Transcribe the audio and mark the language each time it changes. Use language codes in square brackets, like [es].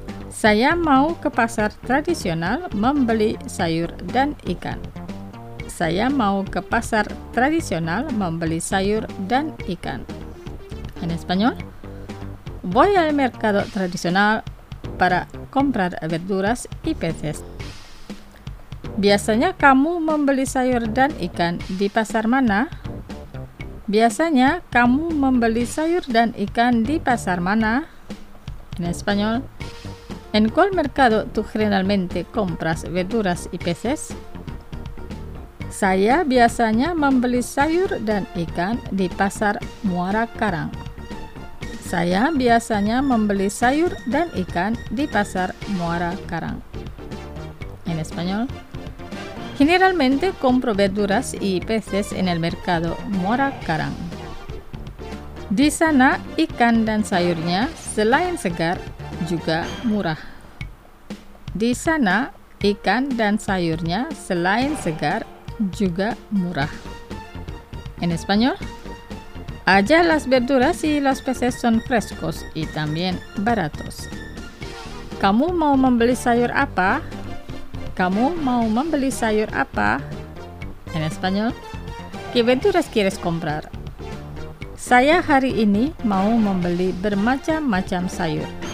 [id] Saya mau ke pasar tradisional membeli sayur dan ikan. Saya mau ke pasar tradisional membeli sayur dan ikan. [es] En español. Voy al mercado tradicional para comprar verduras y peces. [id] Biasanya kamu membeli sayur dan ikan di pasar mana? Biasanya kamu membeli sayur dan ikan di pasar mana? [es] En español. ¿En cuál mercado tú generalmente compras verduras y peces? [id] Saya biasanya membeli sayur dan ikan di pasar Muara Karang. Saya biasanya membeli sayur dan ikan di pasar Muara Karang. [es] En español. Generalmente compro verduras y peces en el mercado Mora Karang. [id] Di sana ikan dan sayurnya selain segar juga murah. Di sana ikan dan sayurnya selain segar juga murah. [es] En español, allá las verduras y los peces son frescos y también baratos. [id] Kamu mau membeli sayur apa? Kamu mau membeli sayur apa? [es] En español, ¿qué verduras quieres comprar? [id] Saya hari ini mau membeli bermacam-macam sayur.